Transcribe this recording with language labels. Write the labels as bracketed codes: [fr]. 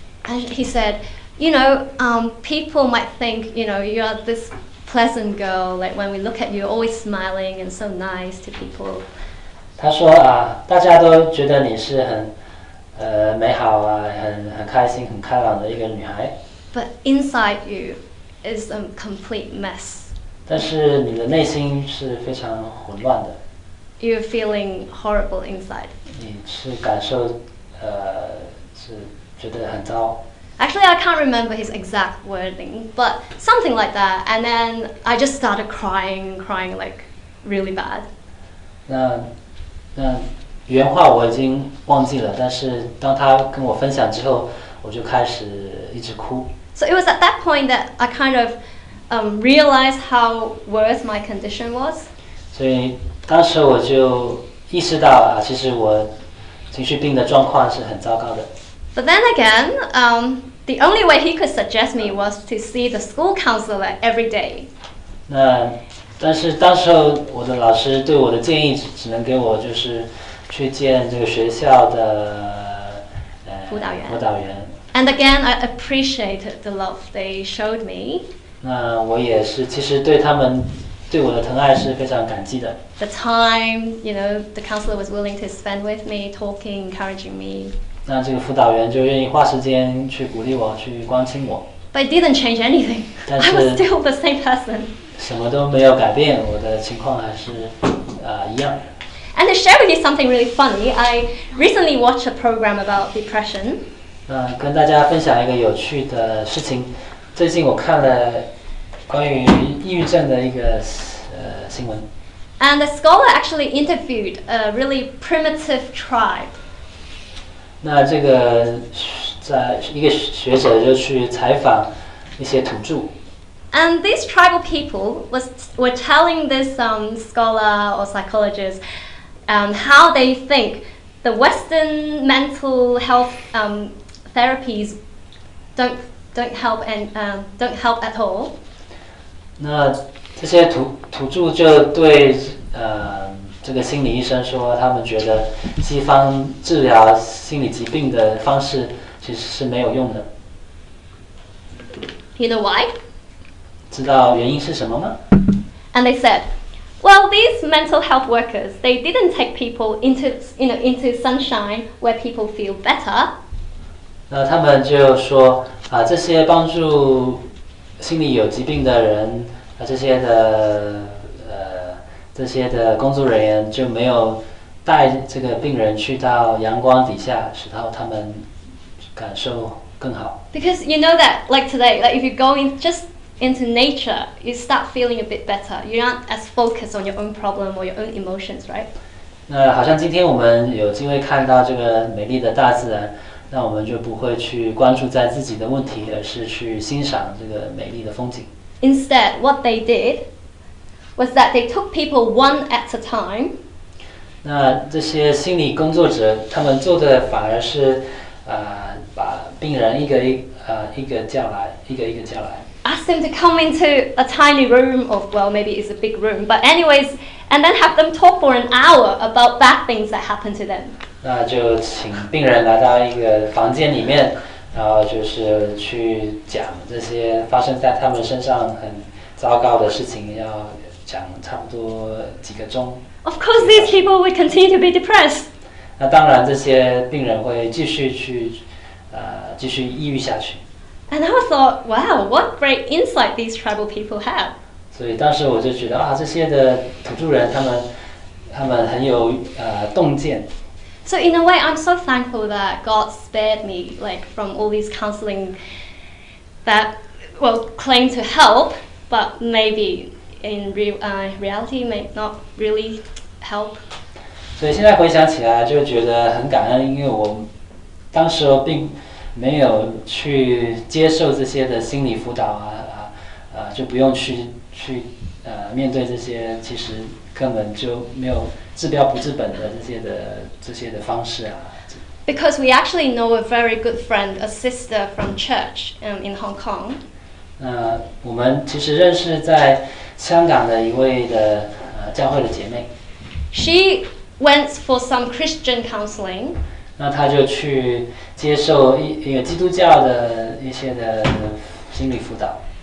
[en] And he said, you know, people might think, you know, you're this pleasant girl, like when we look at you, always smiling and so nice to people. [zh] 他说啊大家都觉得你是很美好啊很开心很开朗的一个女孩。 [en] But inside you,is a complete mess. [zh] 但是你的内心是非常混乱的。 [en] You're feeling horrible inside. [zh] 你是感受是觉得很糟。 [en] Actually, I can't remember his exact wording, but something like that. And then I just started crying like really bad. [zh] 那原话我已经忘记了，但是当他跟我分享之后，我就开始一直哭。 [en] So it was at that point that I kind of realized how worse my condition was. [zh] 所以当时我就意识到啊，其实我情绪病的状况是很糟糕的。 [en] But then again, the only way he could suggest me was to see the school counselor every day. [zh] 那但是当时我的老师对我的建议只能给我就是去见这个学校的辅导员。 [en] And again, I appreciated the love they showed me. [zh] 那我也是，其实对他们对我的疼爱是非常感激的。 [en] The time, you know, the counselor was willing to spend with me, talking, encouraging me. [zh] 那这个辅导员就愿意花时间去鼓励我，去关心我。 [en] But it didn't change anything. I was still the same person. [zh] 什么都没有改变，我的情况还是一样。 [en] And to share with you something really funny, I recently watched a program about depression. [zh] 跟大家分享一个有趣的事情。最近我看了关于抑郁症的一个新闻。 [en] And the scholar actually interviewed a really primitive tribe. [zh] 那这个在一个学者就去采访一些土著。 [en] And these tribal people were telling this scholar or psychologist how they think the Western mental health therapies don't help at all. [zh] 那这些土著就对这个心理医生说，他们觉得西方治疗心理疾病的方式其实是没有用的。 [en] You know why? [zh] 知道原因是什么吗？ [en] And they said, well, these mental health workers, they didn't take people into sunshine where people feel better. [zh] 那他们就说啊，这些帮助心理有疾病的人啊，这些的工作人员就没有带这个病人去到阳光底下，使到他们感受更好。 [en] Because you know that, like today, like if you go in just into nature, you start feeling a bit better. You're not as focused on your own problem or your own emotions, right? [zh] 那好像今天我们有机会看到这个美丽的大自然。那我们就不会去关注在自己的问题，而是去欣赏这个美丽的风景。 [en] Instead, what they did was that they took people one at a time. [zh] 那这些心理工作者他们做的反而是，把病人一个一个叫来。 [en] Ask them to come into a tiny room, or well, maybe it's a big room, but anyways, and then have them talk for an hour about bad things that happened to them. [zh] 那就请病人来到一个房间里面，然后就是去讲这些发生在他们身上很糟糕的事情，要讲差不多几个钟。 [en] Of course, these people will continue to be depressed. [zh] 那当然，这些病人会继续去，继续抑郁下去。 [en] And I thought, wow, what great insight these tribal people have. [zh] 所以当时我就觉得啊，这些的土著人他们很有洞见。 [en] So in a way, I'm so thankful that God spared me like, from all these counseling that, well, claim to help, but maybe in reality may not really help. [zh] 所以现在回想起来就觉得很感恩，因为我当时并没有去接受这些的心理辅导就不用去面对这些其实根本就没有治标不治本的这些的方式啊。 [en] Because we actually know a very good friend, a sister from church in Hong Kong. [zh] 我们其实认识在香港的一位的教会的姐妹。 [en] She went for some Christian counseling. [zh] 那她就去接受一个基督教的一些的心理辅导。